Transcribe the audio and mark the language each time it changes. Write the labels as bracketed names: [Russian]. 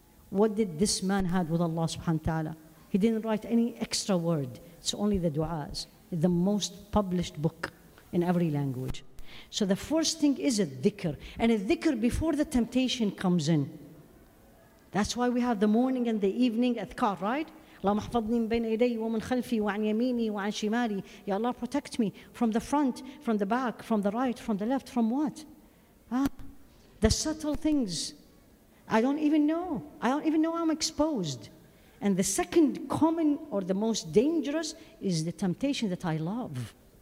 [English] What did this man had with Allah subhanahu wa ta'ala? He didn't write any extra word. It's only the du'as. The most published book in every language. So the first thing is a dhikr. And a dhikr before the temptation comes in. That's why we have the morning and the evening adhkar, right? [Arabic] اللهم احفظني من بين يدي ومن خلفي وعن يميني وعن شمالي. [English] Ya Allah, protect me from the front, from the back, from the right, from the left, from what? The subtle things. I don't even know. I don't even know I'm exposed. And the second common or the most dangerous is the temptation that I love.